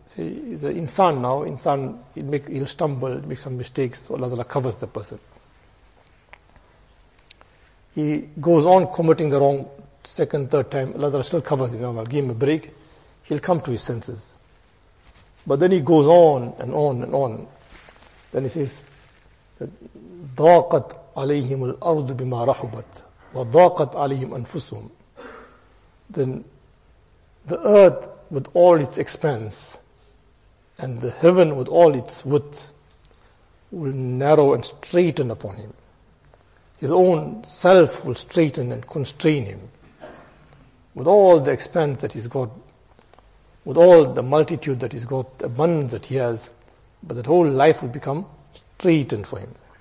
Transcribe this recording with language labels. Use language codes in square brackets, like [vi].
[en] See, he's an insan now, insan, he'll stumble, make some mistakes, so Allah Ta'ala covers the person. He goes on committing the wrong second, third time, Allah Ta'ala still covers him, I'll give him a break, he'll come to his senses. But then he goes on and on and on. Then he says, [ar] ضَاقَتْ عَلَيْهِمُ الْأَرْضُ بِمَا رَحُبَتْ وَضَاقَتْ عَلَيْهِمْ أَنفُسُهُمْ. [en] Then the earth with all its expanse and the heaven with all its width will narrow and straighten upon him. His own self will straighten and constrain him. With all the expanse that he's got, with all the multitude that he's got, the abundance that he has, but that whole life will become straightened for him.